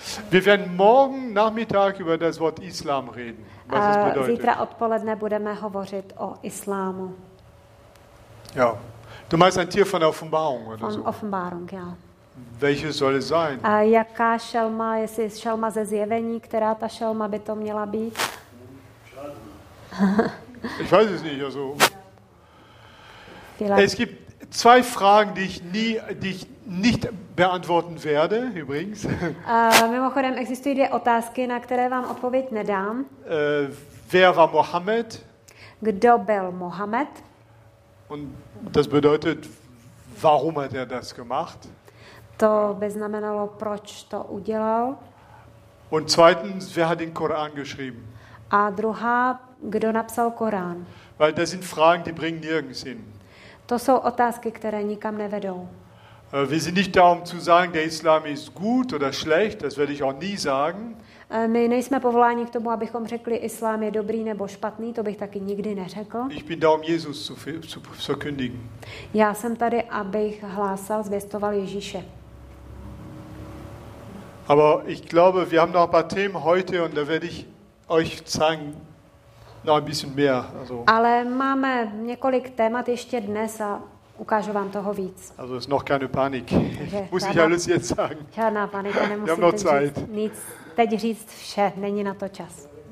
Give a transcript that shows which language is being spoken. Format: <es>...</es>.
<de>Wir werden morgen Nachmittag über das Wort Islam reden, was es bedeutet.</de> <cs>Zítra odpoledne budeme hovořit o islámu.</cs> <de>Ja, du meinst ein Tier von der Offenbarung oder von so? Von Offenbarung, ja. Welche soll es sein?</de> <cs>A jaká šelma, jestli šelma ze zjevení, která ta šelma by to měla být?</cs> <de>Ich weiß es nicht, also. Vielleicht. Es gibt zwei Fragen, die ich nicht beantworten werde, übrigens.</de> <cs>Mimochodem, existují dvě otázky, na které vám odpověď nedám.</cs> <de>Wer war Mohammed?</de> <cs>Kdo byl Mohammed?</cs> <de>Und das bedeutet, warum hat er das gemacht?</de> <cs>To by znamenalo, proč to udělal.</cs> <de>Und zweitens, wer hat den Koran geschrieben?</de> <cs>A druhá, kdo napsal Korán?</cs> <de>Weil das sind Fragen, die bringen nirgends hin.</de> <cs>To jsou otázky, které nikam nevedou.</cs> <de>Wir sind nicht da, um zu sagen, der Islam ist gut oder schlecht, das werde ich auch nie sagen.</de> <cs>My nejsme povoláni k tomu, abychom řekli, Islám je dobrý nebo špatný, to bych taky nikdy neřekl.</cs> <de>Ich bin da, um Jesus zu verkündigen.</de> <cs>Já jsem tady, abych hlásal, zvěstoval Ježíše.</cs> <de>Aber ich glaube, wir haben noch ein paar Themen heute und da werde ich euch zeigen, noch ein bisschen mehr. Also.</de> <cs>Ale máme několik témat ještě dnes a ukážu vám toho víc.</cs> <de>Also ist noch keine Panik. Okay, muss ich alles jetzt sagen.</de> <cs>Žádná panika, nemusíte říct nic. Teď říct vše, není na to čas.</cs>